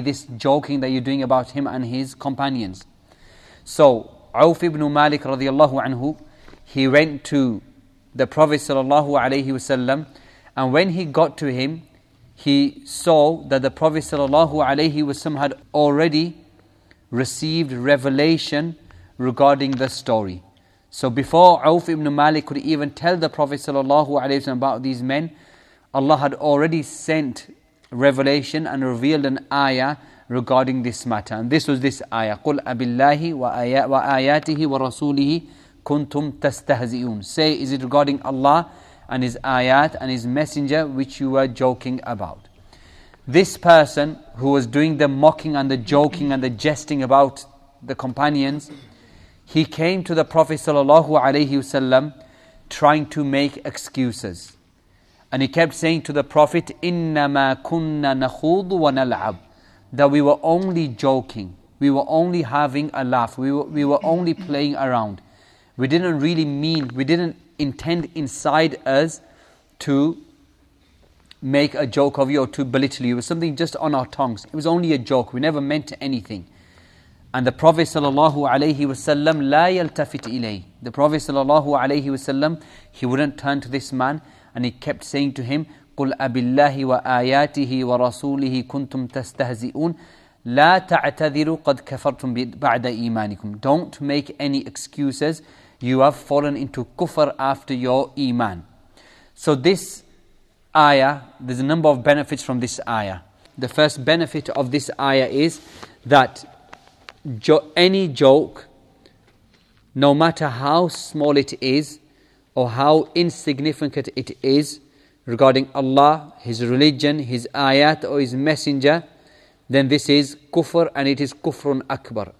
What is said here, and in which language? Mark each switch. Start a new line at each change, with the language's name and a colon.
English: this joking that you're doing about him and his companions. So Auf ibn Malik radiallahu anhu, he went to the Prophet sallallahu alaihi wasallam, and when he got to him, he saw that the Prophet sallallahu alaihi wasallam had already received revelation regarding the story. So before Auf ibn Malik could even tell the Prophet sallallahu alaihi wasallam about these men, Allah had already sent revelation and revealed an ayah regarding this matter. And this was this ayah.
Arabic: قُلْ أَبِاللَّهِ وَآيَاتِهِ وَرَسُولِهِ كُنْتُمْ تَسْتَهْزِئُونَ.
English: Say, is it regarding Allah and his ayat and his messenger which you were joking about. This person who was doing the mocking and the joking and the jesting about the companions, he came to the Prophet sallallahu alaihi wasallam trying to make excuses. And he kept saying to the Prophet,
Arabic: إِنَّمَا كُنَّا نَخُوضُ وَنَلْعَبُ,
English: that we were only joking. We were only having a laugh. We were only playing around. We didn't really mean, we didn't intend inside us to make a joke of you or to belittle you. It was something just on our tongues. It was only a joke. We never meant anything. And the Prophet sallallahu alayhi wasallam,
Arabic: لا يلتفت إليه.
English: The Prophet sallallahu alayhi wasallam, he wouldn't turn to this man. And he kept saying to him,
Arabic: قُلْ أَبِاللَّهِ وَآيَاتِهِ وَرَسُولِهِ كُنْتُمْ تَسْتَهْزِئُونَ لَا تَعْتَذِرُوا قَدْ كَفَرْتُمْ بَعْدَ إِيمَانِكُمْ.
English: Don't make any excuses. You have fallen into kufr after your iman. So this ayah, there's a number of benefits from this ayah. The first benefit of this ayah is that any joke, no matter how small it is, or how insignificant it is regarding Allah, His religion, His ayat, or His messenger, then this is kufr, and it is kufrun akbar.